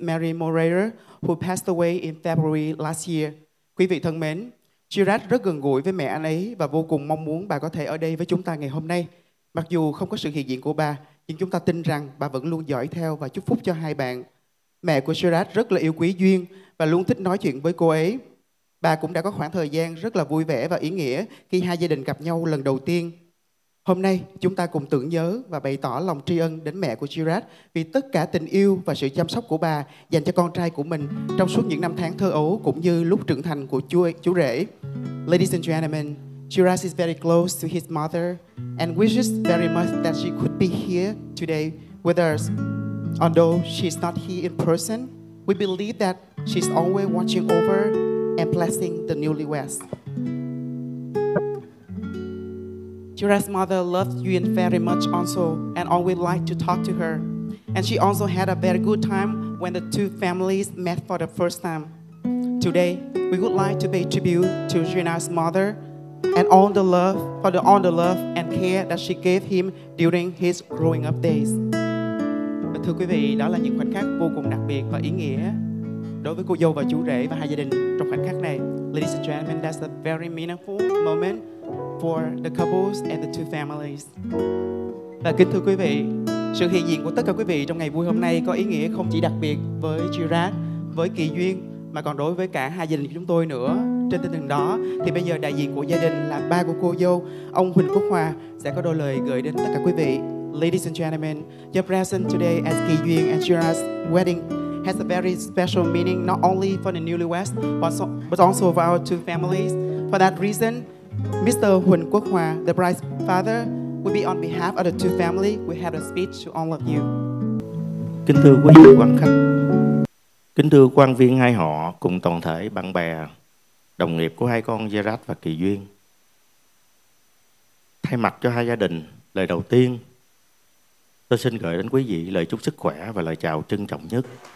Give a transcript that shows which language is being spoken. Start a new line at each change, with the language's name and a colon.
English: Mary Moreira, who passed away in February last year.
Vietnamese: Quý vị thân mến, Jira rất gần gũi với mẹ anh ấy và vô cùng mong muốn bà có thể ở đây với chúng ta ngày hôm nay. Mặc dù không có sự hiện diện của bà, nhưng chúng ta tin rằng bà vẫn luôn dõi theo và chúc phúc cho hai bạn. Mẹ của Jira rất là yêu quý Duyên và luôn thích nói chuyện với cô ấy. Bà cũng đã có khoảng thời gian rất là vui vẻ và ý nghĩa khi hai gia đình gặp nhau lần đầu tiên. Hôm nay, chúng ta cùng tưởng nhớ và bày tỏ lòng tri ân đến mẹ của Gerard vì tất cả tình yêu và sự chăm sóc của bà dành cho con trai của mình trong suốt những năm tháng thơ ấu cũng như lúc trưởng thành của chú rể.
English: Ladies and gentlemen, Gerard is very close to his mother and wishes very much that she could be here today with us. Although she is not here in person, we believe that she is always watching over and blessing the newlyweds. Jira's mother loved Yuen very much also and always liked to talk to her. And she also had a very good time when the two families met for the first time. Today, we would like to pay tribute to Jira's mother and all the love and care that she gave him during his growing up days.
Vietnamese: Và thưa quý vị, đó là những khoảnh khắc vô cùng đặc biệt và ý nghĩa đối với cô dâu và chú rể và hai gia đình trong khoảnh khắc này.
English: Ladies and gentlemen, that's a very meaningful moment for the couples and the two families.
Vietnamese: Và kính thưa quý vị, sự hiện diện của tất cả quý vị trong ngày vui hôm nay có ý nghĩa không chỉ đặc biệt với Gerard, với Kỳ Duyên mà còn đối với cả hai gia đình của chúng tôi nữa. Trên tinh thần đó thì bây giờ đại diện của gia đình là ba của cô dâu, ông Huỳnh Quốc Hoa sẽ có đôi lời gửi đến tất cả quý vị.
English: ladies and gentlemen, your presence today at Kỳ Duyên and Shira's wedding has a very special meaning, not only for the newlyweds, but also for our two families. For that reason, Mr. Huỳnh Quốc Hòa, the bride's father, will be on behalf of the two families. We have a speech to all of you.
Vietnamese: Kính thưa quý vị quan khách, kính thưa quan viên hai họ cùng toàn thể bạn bè, đồng nghiệp của hai con Gerard và Kỳ Duyên. Thay mặt cho hai gia đình, lời đầu tiên, tôi xin gửi đến quý vị lời chúc sức khỏe và lời chào trân trọng nhất.